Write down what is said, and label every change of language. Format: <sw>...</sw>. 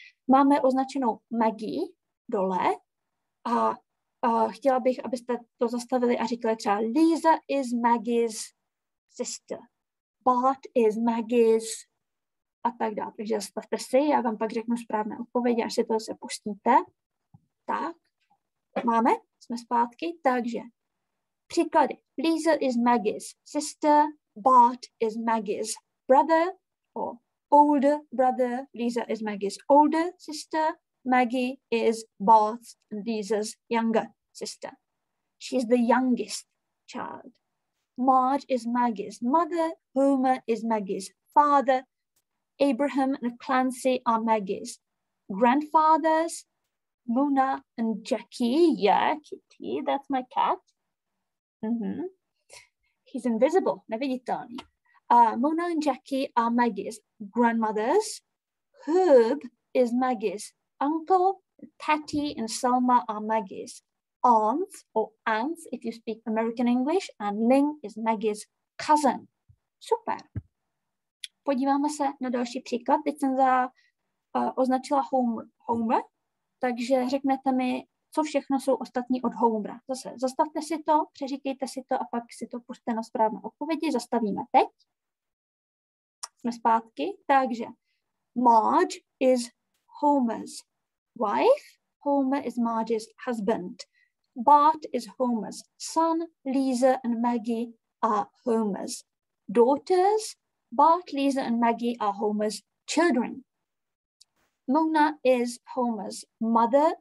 <cs>Máme označenou Maggie dole a chtěla bych, abyste to zastavili a říkali třeba</cs> <en>Lisa is Maggie's sister, Bart is Maggie's</en> <cs>a tak dále. Takže zastavte si, já vám pak řeknu správné odpovědi, až si to se pustíte. Tak, máme? Jsme zpátky, takže příklady.</cs> <en>Lisa is Maggie's sister, Bart is Maggie's brother, or older brother, Lisa is Maggie's older sister, Maggie is Bart's and Lisa's younger sister. She's the youngest child. Marge is Maggie's mother, Homer is Maggie's father, Abraham and Clancy are Maggie's grandfathers, Luna and Jackie, yeah, Kitty, that's my cat. Mm-hmm. He's invisible,</en> <cs>neviditelný.</cs> <en>Luna and Jackie are Maggie's grandmothers. Herb is Maggie's uncle. Patty and Selma are Maggie's aunts, or aunts if you speak American English. And Ling is Maggie's cousin. Super.</en> <cs>Podíváme se na další příklad. Teď jsem označila Homer. Takže řeknete mi, co všechno jsou ostatní od Homera. Zase zastavte si to, přeříkejte si to a pak si to pusťte na správné odpovědi. Zastavíme teď. Jsme zpátky. Takže</cs> <en>Marge is Homer's wife. Homer is Marge's husband. Bart is Homer's son. Lisa and Maggie are Homer's daughters. Bart, Lisa and Maggie are Homer's children. Mona is Homer's mother.</en>